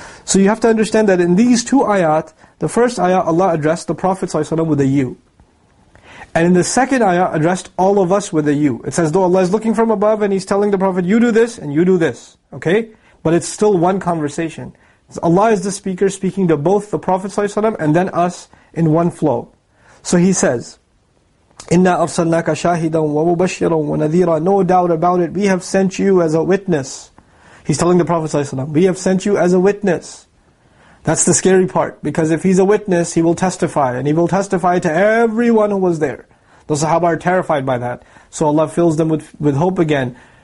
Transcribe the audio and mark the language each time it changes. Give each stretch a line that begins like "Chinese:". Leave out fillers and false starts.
English: So you have to understand that in these two ayat, the first ayat, Allah addressed the Prophet ﷺ with a you. And in the second ayat, addressed all of us with a you. It's as though Allah is looking from above, and He's telling the Prophet, you do this, and you do this. Okay, but it's still one conversation. Allah is the speaker speaking to both the Prophet ﷺ and then us in one flow. So he says,
Arabic: إِنَّا أَرْسَلْنَاكَ شَاهِدًا وَمُبَشِّرًا وَنَذِيرًا.
English: No doubt about it, we have sent you as a witness. He's telling the Prophet ﷺ, we have sent you as a witness. That's the scary part, because if he's a witness, he will testify. And he will testify to everyone who was there. The Sahaba are terrified by that. So Allah fills them with hope again.